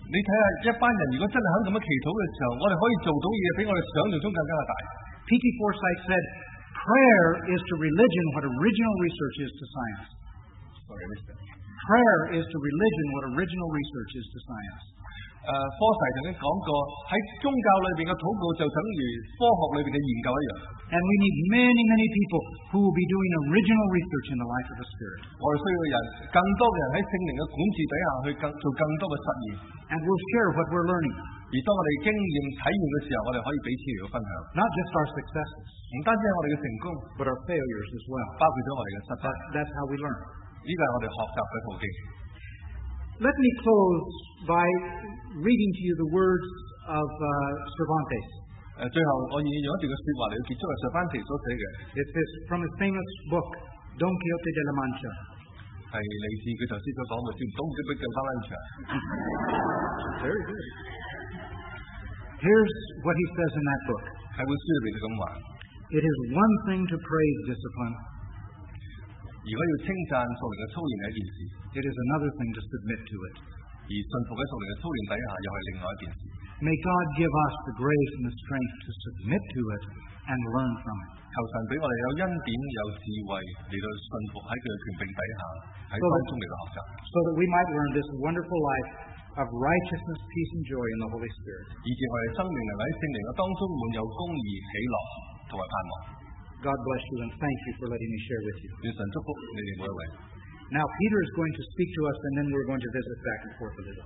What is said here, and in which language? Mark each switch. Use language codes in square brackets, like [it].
[yue] 你睇下一班人，如果真係肯咁樣祈禱嘅時候，我哋可以做到嘢比我哋想象中更加大。 [en] P.T. Forsyth said, "Prayer is to religion what original research is to science." Sorry, mister. Prayer is to religion what original research is to science. [yue] 科西曾經講過，喺宗教裏邊嘅禱告就等於科學裏邊嘅研究一樣。 [en] And we need many, many people who will be doing original research in the life of the Spirit. [yue] 我哋需要人，更多嘅人喺聖靈嘅管治底下去更做更多嘅實驗。 [en] And we'll share what we're learning. [yue] 而當我哋經驗體驗嘅時候，我哋可以彼此嚟分享。 [en] Not just our successes. [yue] 唔單止係我哋嘅成功 [en] ，but our failures as well. [yue] 包括咗我哋嘅失敗。 [en] That's how we learn. [yue] 呢個係我哋學習嘅途徑。 [en] Let me close by reading to you the words of Cervantes. [yue] 最後我要用一段嘅説話嚟結束係 Cervantes 所寫嘅。 [en] It is from his famous book, Don Quixote de la Mancha. [yue] 係嚟自佢頭先所講嘅書《東京嘅蘭卡》。 [en] Very good. Here's what he says in that book. [yue] 喺本書裏邊咁話。 [en] It is one thing to praise discipline. [yue] 如果要稱讚屬靈嘅操練係一件事 [en] ，it is another thing to submit to it。 [yue] 而信服喺屬靈嘅操練底下又係另外一件事。 [en] May God give us the grace and the strength to submit to it and learn from it。 [yue] 求神俾我哋有恩典、有智慧嚟到信服喺佢嘅權柄底下，喺當中嚟到學習。 [en] So that we might learn this wonderful life of righteousness, peace, and joy in the Holy Spirit。 [yue] 以致我哋生命能喺聖靈嘅當中滿有公義、喜樂同埋盼望。 [en] God bless you and thank you for letting me share with you. [yue] 愿神祝福你哋每一位。 [en] Now Peter is going to speak to us, and then we're going to visit back and forth a little.